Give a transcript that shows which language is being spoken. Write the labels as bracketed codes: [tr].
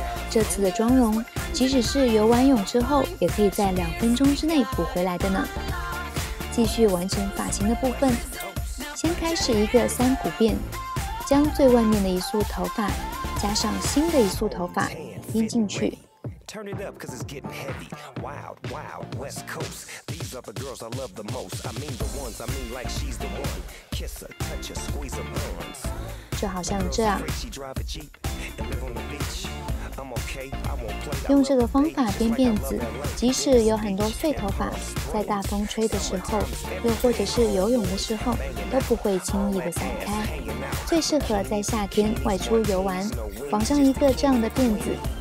[zh] 这次的妆容，即使是游完泳之后，也可以在两分钟之内补回来的呢。继续完成发型的部分，先开始一个三股辫，将最外面的一束头发加上新的一束头发编进去。 [en] Turn it up, cause it's getting heavy. Wild, wild, West Coast. These are the girls I love the most. I mean the ones, I mean like she's the one. Kiss her, touch her, squeeze her buns. [zh] 就好像这样。 [en] She drive a Jeep and live on the beach. I'm okay, I won't play. [zh] 用这个方法编辫子，即使有很多碎头发，在大风吹的时候，又或者是游泳的时候，都不会轻易的散开。最适合在夏天外出游玩，绑上一个这样的辫子。